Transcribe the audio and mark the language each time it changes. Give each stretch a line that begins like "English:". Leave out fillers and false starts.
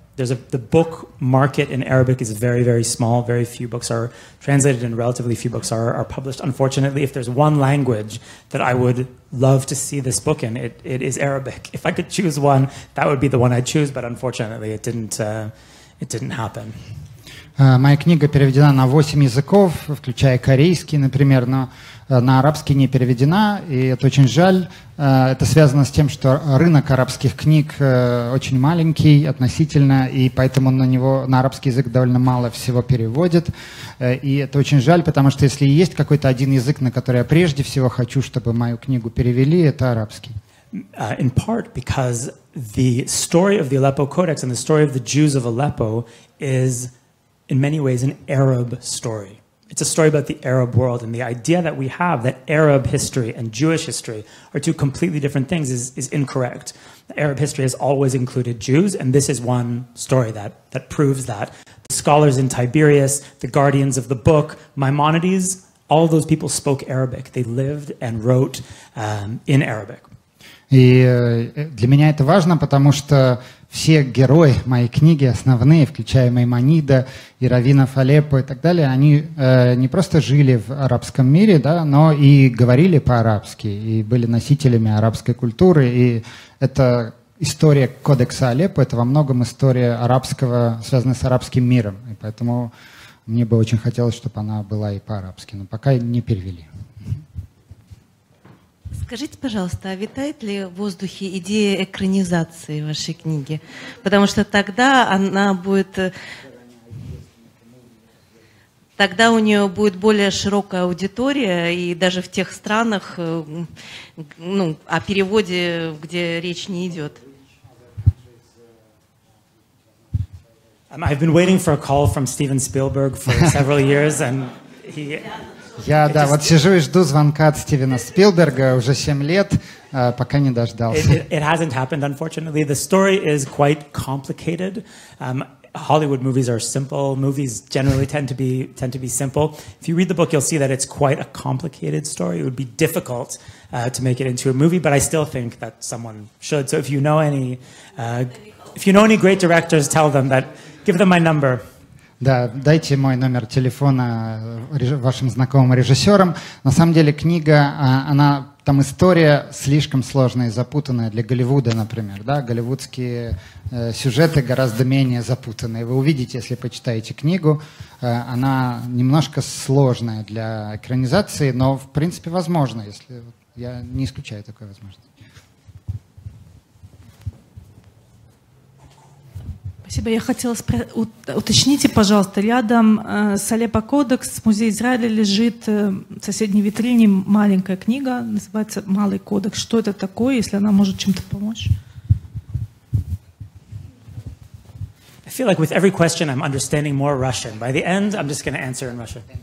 English: There's a, the book market in Arabic is very, very small. Very few books are translated and relatively few books are published. Unfortunately, if there's one language that I would love to see this book in, it, it is Arabic. If I could choose one, that would be the one I'd choose, but unfortunately, it didn't happen.
Russian: Моя книга переведена на 8 языков, включая корейский, например, но на арабский не переведена, и это очень жаль. Это связано с тем, что рынок арабских книг очень маленький относительно, и поэтому на него, на арабский язык довольно мало всего переводит. И это очень жаль, потому что если есть какой-то один язык, на который я прежде всего хочу, чтобы мою книгу перевели, это арабский.
English: In part because the story of the Aleppo Codex and the story of the Jews of Aleppo is in many ways an Arab story. It's a story about the Arab world, and the idea that we have that Arab history and Jewish history are two completely different things is incorrect. Arab history has always included Jews, and this is one story that, that proves that. The scholars in Tiberias, the guardians of the book, Maimonides, all those people spoke Arabic. They lived and wrote in Arabic.
Russian: И для меня это важно, потому что все герои моей книги, основные, включая Маймонида и раввинов Алеппо и так далее, они не просто жили в арабском мире, да, но и говорили по-арабски, и были носителями арабской культуры. И это история Кодекса Алеппо, это во многом история арабского, связанная с арабским миром. И поэтому мне бы очень хотелось, чтобы она была и по-арабски, но пока не перевели. Скажите, пожалуйста, а витает ли в воздухе идея экранизации вашей книги? Потому что тогда она будет... Тогда у нее будет более широкая аудитория, и даже в тех странах, ну, о переводе, где речь не идет.
English: I've been waiting for a call from Steven Spielberg for several years, and he...
Russian: Я, да, вот сижу и жду звонка от Стивена Спилберга уже 7 лет, пока не дождался.
English: It hasn't happened, unfortunately. The story is quite complicated. Hollywood movies are simple. Movies generally tend to be simple. If you read the book, you'll see that it's quite a complicated story. It would be difficult to make it into a movie, but I still think that someone should. So if you know any great directors, tell them that, give them my number.
Russian: Да, дайте мой номер телефона вашим знакомым режиссерам. На самом деле книга, она там история слишком сложная и запутанная для Голливуда, например. Да? Голливудские сюжеты гораздо менее запутанные. Вы увидите, если почитаете книгу, она немножко сложная для экранизации, но в принципе возможно, если я не исключаю такой возможности. Спасибо. Я хотела уточнить, пожалуйста, рядом с Алеппо Кодекс, Музей Израиля, лежит в соседней витрине маленькая книга, называется «Малый кодекс». Что это такое, если она может чем-то помочь?
English: I feel like with every question I'm understanding more Russian. By the end, I'm just going to answer in Russian.